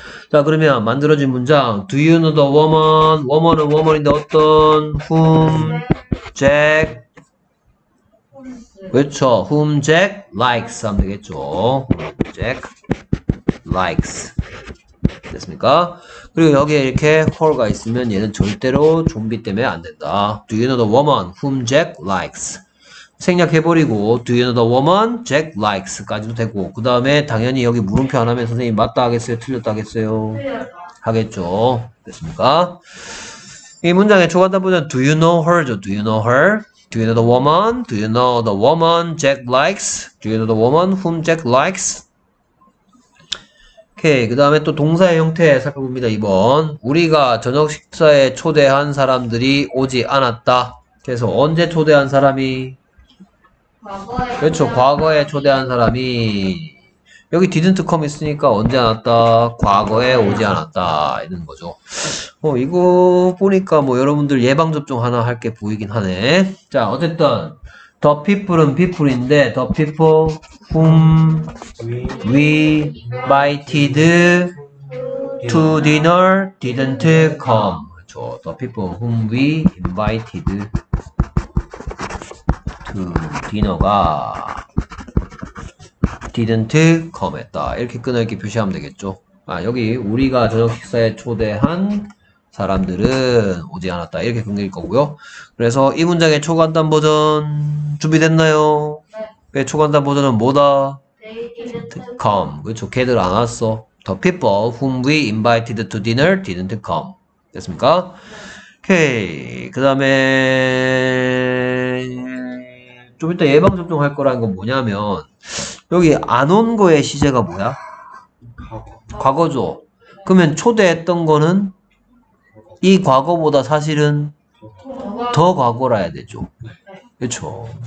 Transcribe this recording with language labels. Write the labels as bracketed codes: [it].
[ko] 자 그러면 만들어진 문장 [en] Do you know the woman? [ko] woman은 woman인데 어떤 whom Jack 그렇죠. [en] Whom Jack likes [ko] 하면 되겠죠. [en] Jack likes [ko] 됐습니까? 그리고 여기에 이렇게 her가 있으면 얘는 절대로 좀비 때문에 안 된다. [en] Do you know the woman whom Jack likes? [ko] 생략해버리고 [en] Do you know the woman Jack likes? [ko] 까지도 되고 그 다음에 당연히 여기 물음표 안 하면 선생님 맞다 하겠어요? 틀렸다 하겠어요? 하겠죠. 됐습니까? 이 문장의 초간단 문장 [en] Do you know her? Do you know her? Do you know the woman? Do you know the woman Jack likes? Do you know the woman whom Jack likes? [ko] 오케이. 그 다음에 또 동사의 형태 살펴봅니다. 2번. 우리가 저녁 식사에 초대한 사람들이 오지 않았다. 그래서 언제 초대한 사람이? 과거에. 그렇죠. 과거에 초대한 사람이. 여기 [en] didn't come [ko] 있으니까 언제 안 왔다? 과거에 오지 않았다. 이런 거죠. 이거 보니까 뭐 여러분들 예방접종 하나 할 게 보이긴 하네. 자, 어쨌든 [en] the people은 people인데 the people whom we invited to dinner didn't come. [ko] 그렇죠. [en] the people whom we invited to dinner [ko] 가 [en] didn't come [ko] 했다. 이렇게 끊어 이렇게 표시하면 되겠죠. 아, 여기 우리가 저녁 식사에 초대한 사람들은 오지 않았다. 이렇게 끊길 거고요. 그래서 이 문장의 초간단 버전 준비됐나요? 네. 초간단 버전은 뭐다? [en] They didn't [ko] come. 그렇죠. 걔들 안 왔어. [en] The people whom we invited to dinner didn't come. [ko] 됐습니까? 오케이. 그 다음에 좀 이따 예방접종 할 거라는 건 뭐냐면 여기 안 온 거의 시제가 뭐야? 과거죠. 그러면 초대했던 거는 이 과거보다 사실은 더 과거라 해야 되죠. 그렇죠.